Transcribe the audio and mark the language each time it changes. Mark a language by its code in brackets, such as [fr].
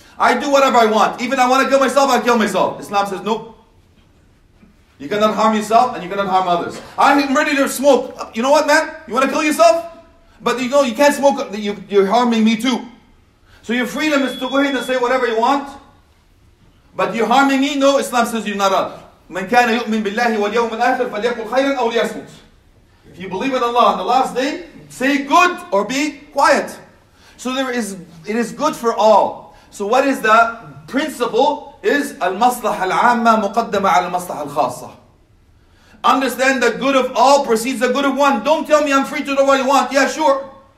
[en] I do whatever I want. Even I want to kill myself, I kill myself. Islam says no. You cannot harm yourself and you cannot harm others. I'm ready to smoke. You know what, man? You want to kill yourself? But you know, you can't smoke. You're harming me too. So your freedom is to go ahead and say whatever you want. But you're harming me? No, Islam says you're not. [ar] من كان يؤمن بالله واليوم الآخر فليقل خيرا أو ليصمت. [en] If you believe in Allah on the last day, say good or be quiet. So it is good for all. So what is the principle? [ar] Is al-maslaha al-amma muqaddama al-maslaha al-khassa. [en] Understand the good of all precedes the good of one. Don't tell me I'm free to do what you want. Yeah, sure.